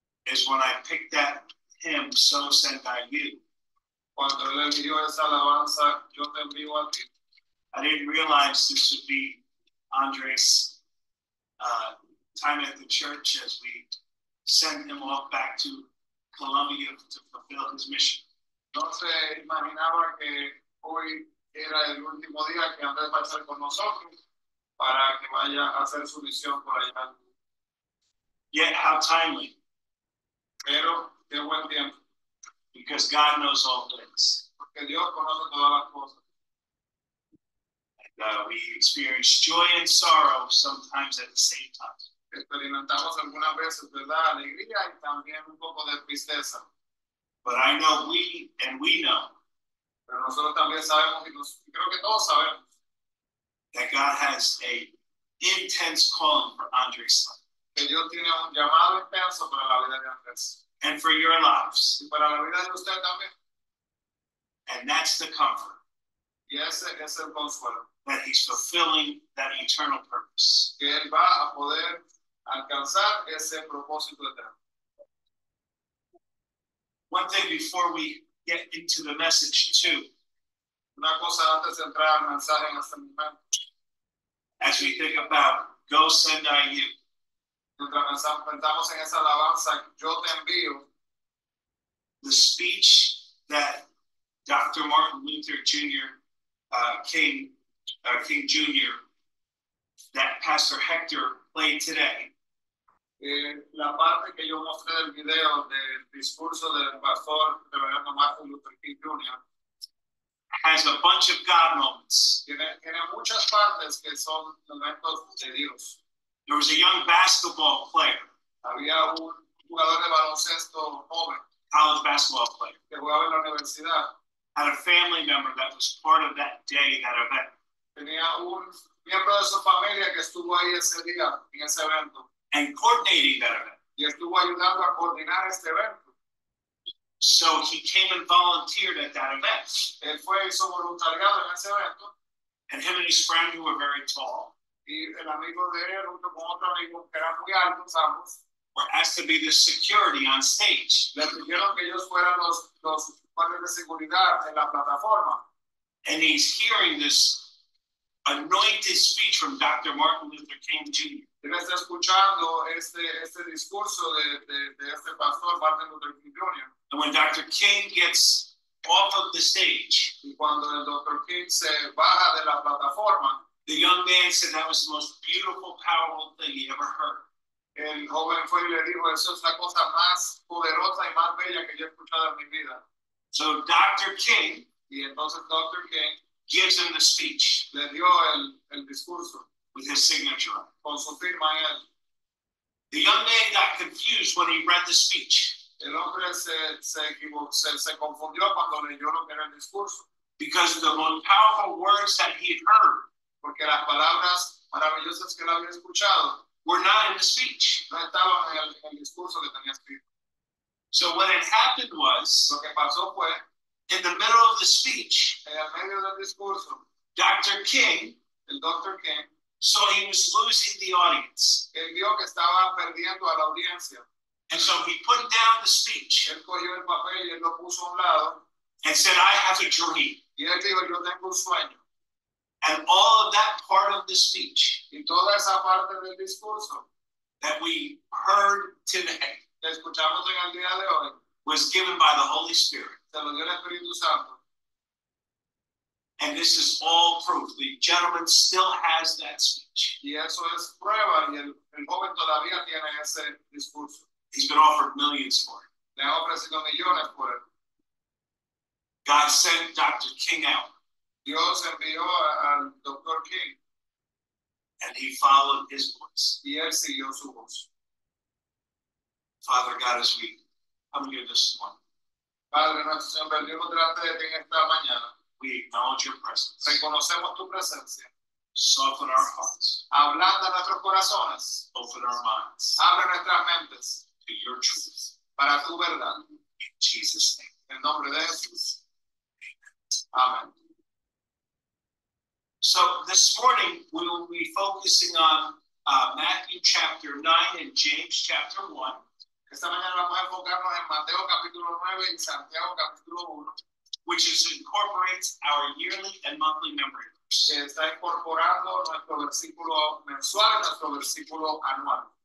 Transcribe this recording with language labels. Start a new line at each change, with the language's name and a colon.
English: is when I picked that hymn, "So Sent I You."
Spanish: Cuando él envió esa alabanza, yo te envío a ti.
English: I didn't realize this would be Andres' time at the church as we sent him off back to Colombia to fulfill his mission.
Spanish: No se imaginaba que hoy era el último día que Andrés va a estar con nosotros para que vaya a hacer su misión por allá.
English: Yet how timely.
Spanish: Pero qué buen tiempo.
English: Because God knows all things.
Spanish: Porque Dios conoce todas las cosas.
English: And, we experience joy and sorrow sometimes at the same time.
Spanish: Experimentamos algunas veces, ¿verdad? Alegría y también un poco de tristeza.
English: But I know we know.
Spanish: Pero nosotros también sabemos creo que todos sabemos.
English: That God has an intense calling for Andres.
Spanish: Que Dios tiene un llamado intenso para la vida de Andrés.
English: And for your lives.
Spanish: Y para la vida de usted también.
English: And that's the comfort.
Spanish: Y ese es el consuelo.
English: That he's fulfilling that eternal purpose.
Spanish: Que él va a poder alcanzar ese propósito eterno.
English: One thing before we get into the message too.
Spanish: Una cosa antes de entrar al mensaje en este momento.
English: As we think about "Go Send I You."
Spanish: Mientras pensamos en esa alabanza, yo te envío.
English: The speech that Dr. Martin Luther Jr. King Jr. that Pastor Hector played today.
Spanish: La parte que yo mostré del video del discurso del pastor Reverendo Martin Luther King Jr.
English: has a bunch of God moments.
Spanish: Tiene muchas partes que son momentos de Dios.
English: There was a young basketball player.
Spanish: Había un jugador de baloncesto joven.
English: College basketball player.
Spanish: Que jugaba en la universidad.
English: Had a family member that was part of that day, that event.
Spanish: Tenía un miembro de su familia que estuvo ahí ese día, en ese evento.
English: And coordinating that event.
Spanish: Y estuvo ayudando a coordinar este evento.
English: So he came and volunteered at that event.
Spanish: Él fue y hizo voluntariado en ese evento.
English: And him and his friend, who were very tall.
Spanish: Y el amigo de él, junto con otro amigo, que era muy alto, ambos.
English: Were asked to be the security on stage.
Spanish: Le pidieron que ellos fueran los guardias de seguridad en la plataforma.
English: And he's hearing this anointed speech from Dr. Martin Luther King Jr.
Spanish: Él está escuchando este discurso de este pastor, Martin Luther King Jr.
English: And when Dr. King gets off of the stage,
Spanish: y cuando el Dr. King se baja de la plataforma,
English: The young man said that was the most beautiful, powerful thing he ever heard.
Spanish: El joven fue y le dijo, eso es la cosa más poderosa y más bella que yo he escuchado en mi vida.
English: So Dr. King,
Spanish: y entonces Dr. King
English: gives him the speech.
Spanish: Le dio el discurso.
English: With his signature.
Spanish: Con su firma en él.
English: The young man got confused when he read the speech.
Spanish: El hombre se confundió cuando leyó lo que era el discurso.
English: Because of the most powerful words that he had heard.
Spanish: Porque las palabras maravillosas que él había escuchado.
English: We're not in the speech.
Spanish: No estaba en el discurso que tenía escrito.
English: So what had happened was,
Spanish: lo que pasó fue,
English: in the middle of the speech,
Spanish: en el medio del discurso,
English: Dr. King,
Spanish: el Dr. King,
English: saw he was losing the audience.
Spanish: Él vio que estaba perdiendo a la audiencia.
English: And so he put down the speech.
Spanish: Él cogió el papel y él lo puso a un lado.
English: And said, I have a dream.
Spanish: Y él dijo, yo tengo un sueño.
English: And all of that part of the speech,
Spanish: y toda esa parte del discurso,
English: that we heard today,
Spanish: que escuchamos en el día de hoy,
English: was given by the Holy Spirit.
Spanish: Se lo dio el Espíritu Santo.
English: And this is all proof. The gentleman still has that speech.
Spanish: Y eso es prueba, y el joven todavía tiene ese discurso.
English: He's been offered millions for it.
Spanish: Le ha ofrecido millones por él.
English: God sent Dr. King out.
Spanish: Dios envió al Dr. King.
English: And he followed his voice.
Spanish: Y él siguió su voz.
English: Father God, as we come here this morning.
Spanish: Padre nuestro Señor, bendito delante de ti en esta mañana.
English: We acknowledge your presence.
Spanish: Reconocemos tu presencia.
English: Soften our hearts.
Spanish: Ablanda nuestros corazones.
English: Open our minds.
Spanish: Abre nuestras mentes.
English: To your truth.
Spanish: Para tu verdad.
English: In Jesus' name.
Spanish: En el nombre de Jesús.
English: Amen. So this morning we will be focusing on Matthew chapter 9 and James chapter 1.
Spanish: Esta mañana vamos a enfocarnos en Mateo capítulo 9 y Santiago capítulo 1,
English: which is incorporates our yearly and monthly memory verse.
Spanish: Está incorporando nuestro versículo mensual, nuestro versículo anual.